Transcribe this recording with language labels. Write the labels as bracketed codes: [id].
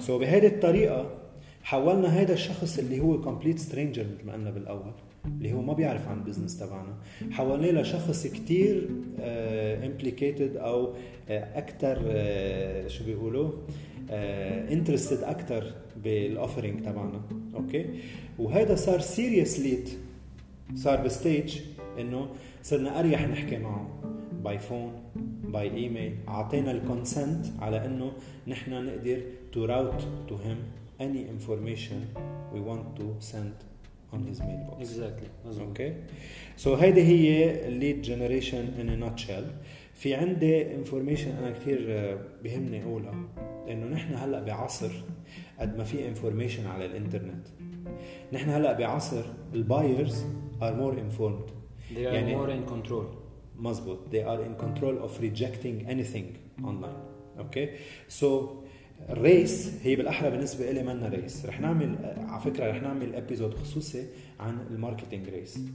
[ar] So بهذه الطريقة حولنا هذا الشخص اللي هو [en] complete stranger [ar] مثل ما قلنا بالأول اللي هو ما بيعرف عن بزنس تبعنا حولناه لشخص كتير implicated أو أكتر شو بيقولوا interested أكتر بالoffering تبعنا okay وهذا صار [en] serious lead [ar] صار بستيج إنه صرنا أريح نحكي معه [en] by phone, by email. [ar] عطينا الconsent على إنه نحنا نقدر [en] to route to him any information we want to send on his mailbox. Exactly. Okay. So [ar] هيدي هي [en] lead generation in a nutshell. [ar] في عندي information أنا كتير بهمني أقولها إنه نحنا هلأ بعصر قد ما في information على الإنترنت. نحنا هلأ بعصر [en] the buyers are more informed. They are يعني more in control. [ar] مظبوط. [en] They are in control of rejecting anything online. Okay. [ar] So race هي بالأحرى بالنسبة إلي منا race. رح نعمل على فكرة رح نعمل episode خصوصي عن الماركتينج race.